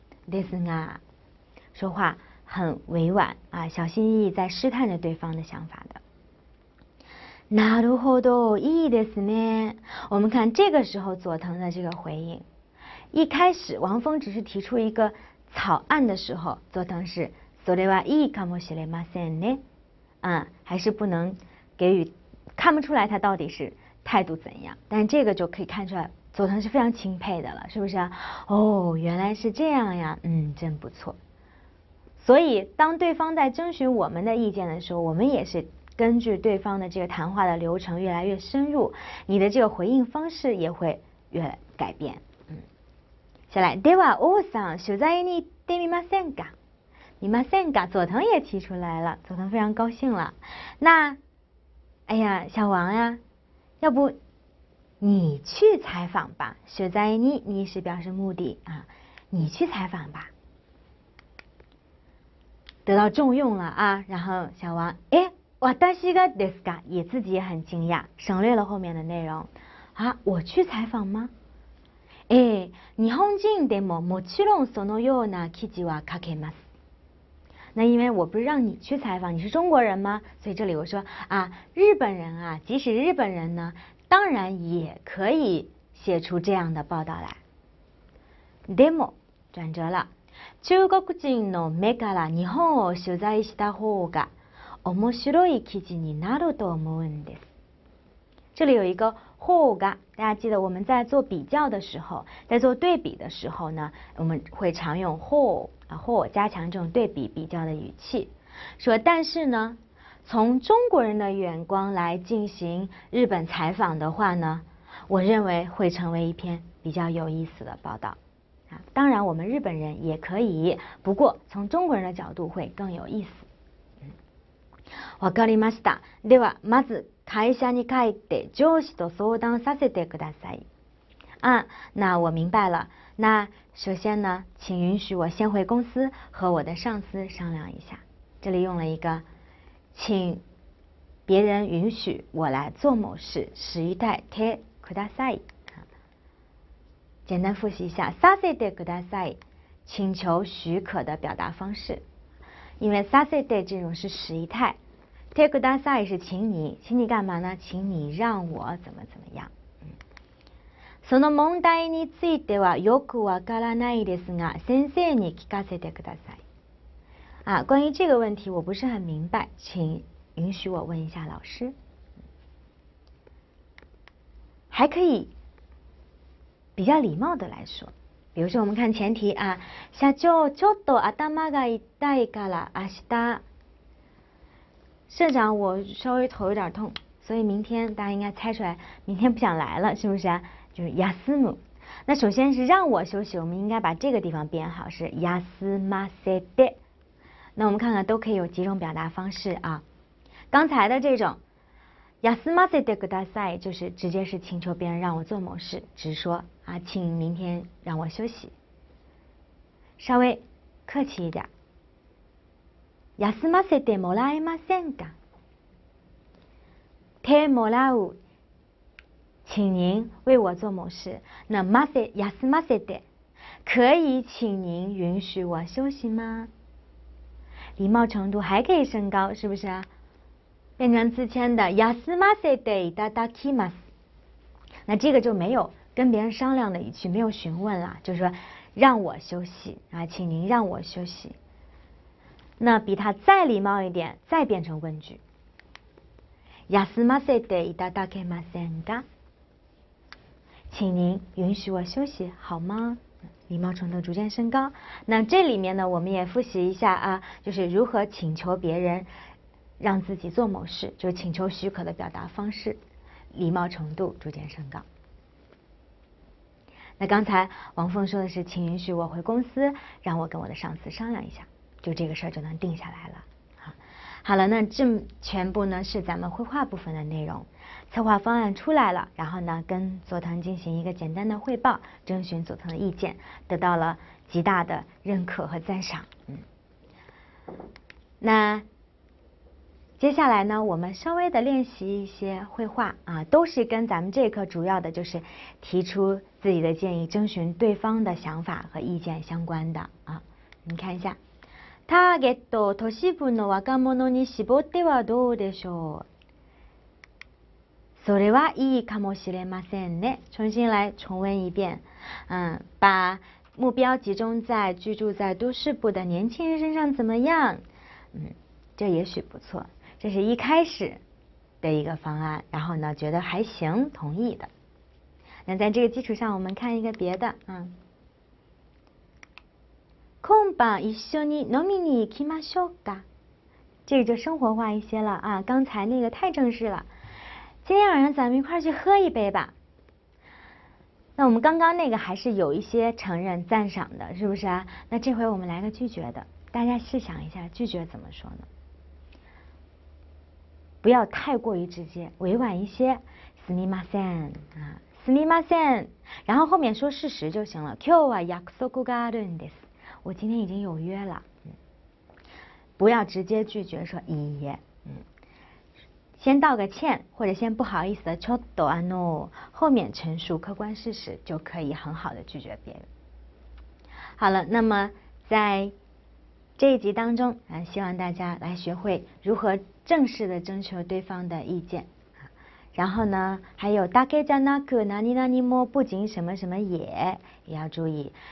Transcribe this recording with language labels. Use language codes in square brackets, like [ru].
[ja] ですが， [zh] 说话很委婉啊，小心翼翼在试探着对方的想法的。 [ja] なるほど、いいですね。 [zh] 我们看这个时候佐藤的这个回应，一开始王峰只是提出一个草案的时候，佐藤是。 [ja] それはいいかもしれませんね。 [zh] 啊，还是不能给予，看不出来他到底是态度怎样。但这个就可以看出来，佐藤是非常钦佩的了，是不是啊？哦，原来是这样呀，嗯，真不错。所以，当对方在征询我们的意见的时候，我们也是根据对方的这个谈话的流程越来越深入，你的这个回应方式也会越改变。嗯，下来， [ja] では王さん、取材に行ってみませんか？いませんか？ [zh] 佐藤也提出来了，佐藤非常高兴了。那，哎呀，小王呀，要不你去采访吧？取材に，你是表示目的啊，你去采访吧。得到重用了啊，然后小王，哎， [ja] 私がですか？ [zh] 也自己也很惊讶，省略了后面的内容啊，我去采访吗？ [ja] 哎，日本人でももちろんそのような記事は書けます。 [zh] 那因为我不是让你去采访，你是中国人吗？所以这里我说啊，日本人啊，即使日本人呢，当然也可以写出这样的报道来。 [ja] でも [zh] 转折了， [ja] 中国人の目から日本を取材した方が面白い記事になると思うんです。 [zh] 这里有一个方が，大家记得我们在做比较的时候，在做对比的时候呢，我们会常用方。或加强这种对比比较的语气，说但是呢，从中国人的眼光来进行日本采访的话呢，我认为会成为一篇比较有意思的报道啊。当然我们日本人也可以，不过从中国人的角度会更有意思。 [ja] わかりました。ではまず会社に帰って上司と相談させてください。 [zh] 啊，那我明白了。那首先呢，请允许我先回公司和我的上司商量一下。这里用了一个，请别人允许我来做某事，时语态てください。简单复习一下，させてください，请求许可的表达方式。因为させて这种是时语态，てください是请你，请你干嘛呢？请你让我怎么怎么样。 [ja] その問題についてはよくわからないですが、先生に聞かせてください。 [zh] 啊，关于这个问题我不是很明白，请允许我问一下老师。还可以比较礼貌的来说，比如说我们看前提啊， [ja] 社長ちょっと頭が痛いから明日。 [zh] 社长，我稍微头有点痛，所以明天大家应该猜出来，明天不想来了，是不是啊？就是休む。那首先是让我休息，我们应该把这个地方编好，是休ませて。那我们看看都可以有几种表达方式啊。刚才的这种休ませてください，就是直接是请求别人让我做某事，直说啊，请明天让我休息。稍微客气一点。 [ja] 休ませてもらえませんか？ [zh] てもらう，请您为我做某事。那休ませて，可以请您允许我休息吗？礼貌程度还可以升高，是不是？变成自谦的休ませていただきます。那这个就没有跟别人商量的一句，没有询问了，就是说让我休息啊，请您让我休息。那比他再礼貌一点，再变成问句。 [ja] 休ませていただけませんか？ [zh] 请您允许我休息好吗？礼貌程度逐渐升高。那这里面呢，我们也复习一下啊，就是如何请求别人让自己做某事，就是请求许可的表达方式，礼貌程度逐渐升高。那刚才王凤说的是，请允许我回公司，让我跟我的上司商量一下。就这个事儿就能定下来了。好了，那这全部呢是咱们绘画部分的内容，策划方案出来了，然后呢跟佐藤进行一个简单的汇报，征询佐藤的意见，得到了极大的认可和赞赏。那接下来呢，我们稍微的练习一些绘画啊，都是跟咱们这课主要的就是提出自己的建议，征询对方的想法和意见相关的啊。你看一下， [ja] ターゲットを都市部の若者に絞ってはどうでしょう。それはいいかもしれませんね。 [zh] 重新来、重温一遍。把目标集中在居住在都市部的年轻人身上怎么样？这也许不错。这是一开始的一个方案，然后呢，觉得还行，同意的。那在这个基础上，我们看一个别的， [ja] 今晩一緒に飲みに行きましょうか。 [zh] 这个就生活化一些了啊，刚才那个太正式了。今天晚上咱们一块去喝一杯吧。那我们刚刚那个还是有一些承认赞赏的，是不是啊？那这回我们来个拒绝的，大家试想一下，拒绝怎么说呢？不要太过于直接，委婉一些。 [ja] すみません啊，すみません。 [zh] 然后后面说事实就行了。 [ja] 今日は約束があるんです。 [zh] 我今天已经有约了，不要直接拒绝说いいえ，先道个歉或者先不好意思的 [ja] ちょっとあの， [zh] 后面陈述客观事实就可以很好的拒绝别人。好了，那么在这一集当中啊，希望大家来学会如何正式的征求对方的意见，然后呢还有だけじゃなく何々も，不仅什么什么也要注意。